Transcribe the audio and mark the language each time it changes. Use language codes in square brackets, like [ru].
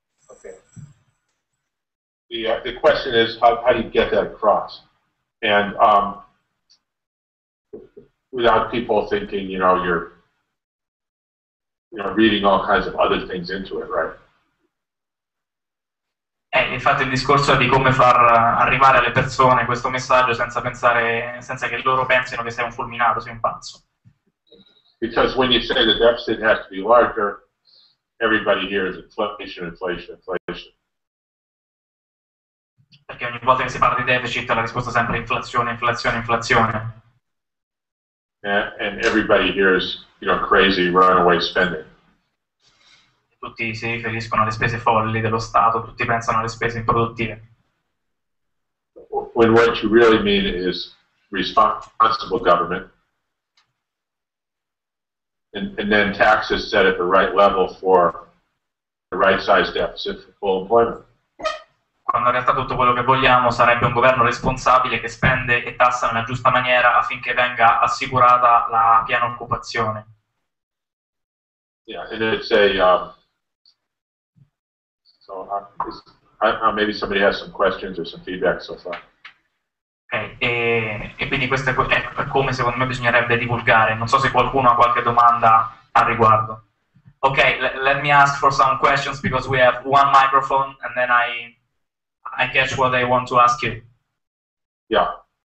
[en] Okay. The question is how do you get that across? And without people thinking, you're reading all kinds of other things into it, right? [it] Infatti il discorso è di come far arrivare alle persone questo messaggio senza che loro pensino che sei un fulminato, sei un pazzo. [en] Because when you say the deficit has to be larger, everybody hears inflation, inflation, inflation. [it] Perché ogni volta che si parla di deficit la risposta è sempre inflazione, inflazione, inflazione. [en] And everybody hears, crazy runaway spending. [it] Tutti si riferiscono alle spese folli dello Stato, tutti pensano alle spese improduttive. [en] When what you really mean is responsible government, and then taxes set at the right level for the right size deficit for full employment. [it] Quando in realtà tutto quello che vogliamo sarebbe un governo responsabile che spende e tassa nella giusta maniera affinché venga assicurata la piena occupazione. [en] Yeah, and it's a maybe somebody has some questions or some feedback so far. [it] Okay, e quindi questo è come secondo me bisognerebbe divulgare. Non so se qualcuno ha qualche domanda al riguardo. [en] Okay, let me ask for some questions because we have one microphone and then I catch what I want to ask you. Yeah.